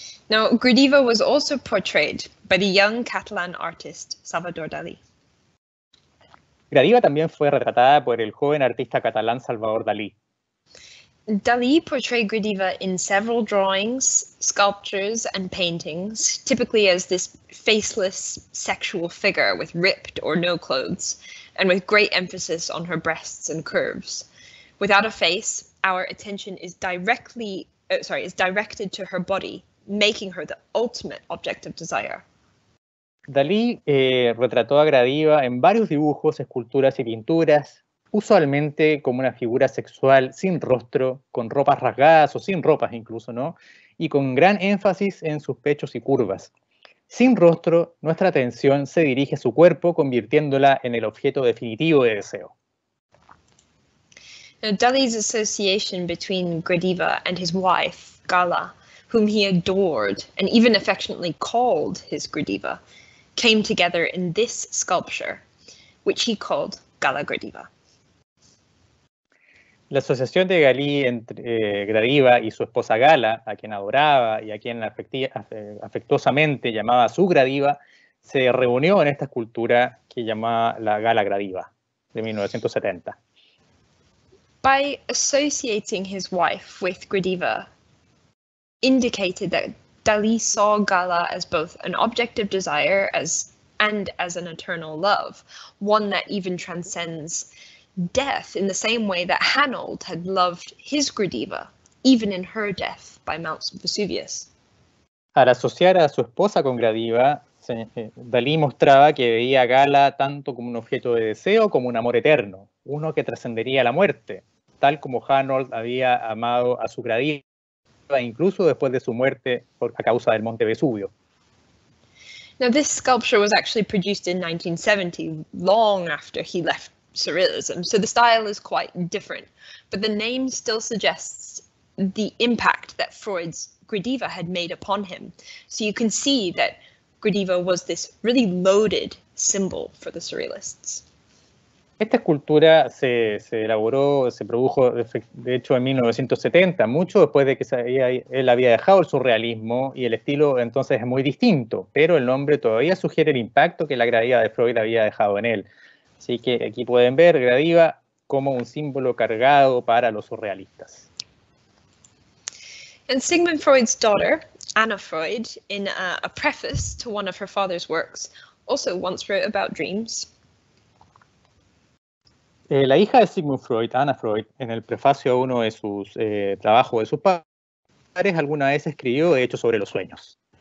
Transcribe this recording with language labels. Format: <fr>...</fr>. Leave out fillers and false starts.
<en>Now, Gradiva was also portrayed by the young Catalan artist Salvador Dalí.</en> <es>Gradiva también fue retratada por el joven artista catalán Salvador Dalí.</es> <en>Dalí portrayed Gradiva in several drawings, sculptures, and paintings, typically as this faceless sexual figure with ripped or no clothes, and with great emphasis on her breasts and curves. Without a face, our attention is directed to her body, making her the ultimate object of desire.</en> <es>Dalí retrató a Gradiva en varios dibujos, esculturas y pinturas, usualmente como una figura sexual sin rostro, con ropas rasgadas o sin ropas incluso, ¿no? Y con gran énfasis en sus pechos y curvas. Sin rostro, nuestra atención se dirige a su cuerpo, convirtiéndola en el objeto definitivo de deseo.</es> <en>Now, Dalí's association between Gradiva and his wife, Gala, whom he adored and even affectionately called his Gradiva, came together in this sculpture, which he called Gala Gradiva.</en> <es>La asociación de Dalí entre Gradiva y su esposa Gala, a quien adoraba y a quien afectuosamente llamaba su Gradiva, se reunió en esta escultura que llamaba la Gala Gradiva, de 1970.</es> <en>By associating his wife with Gradiva, indicated that Dalí saw Gala as both an object of desire and as an eternal love, one that even transcends death in the same way that Hanold had loved his Gradiva, even in her death by Mount Vesuvius.</en> <es>Al asociar a su esposa con Gradiva, Dalí mostraba que veía a Gala tanto como un objeto de deseo como un amor eterno, uno que trascendería la muerte, tal como Hanold había amado a su Gradiva incluso después de su muerte a causa del Monte Vesubio.</es> <en>Now this sculpture was actually produced in 1970, long after he left Surrealism, so the style is quite different, but the name still suggests the impact that Freud's Gradiva had made upon him. So you can see that Gradiva was this really loaded symbol for the Surrealists.</en> <es>Esta escultura se produjo de hecho en 1970, mucho después de que él había dejado el surrealismo, y el estilo entonces es muy distinto, pero el nombre todavía sugiere el impacto que la Gradiva de Freud había dejado en él. Así que aquí pueden ver Gradiva como un símbolo cargado para los surrealistas.</es> <en>And Sigmund Freud's daughter, Anna Freud, in a preface to one of her father's works, also once wrote about dreams.</en> <es>La hija de Sigmund Freud, Anna Freud, en el prefacio a uno de sus trabajos de sus padres, alguna vez escribió, de hecho, sobre los sueños.</es>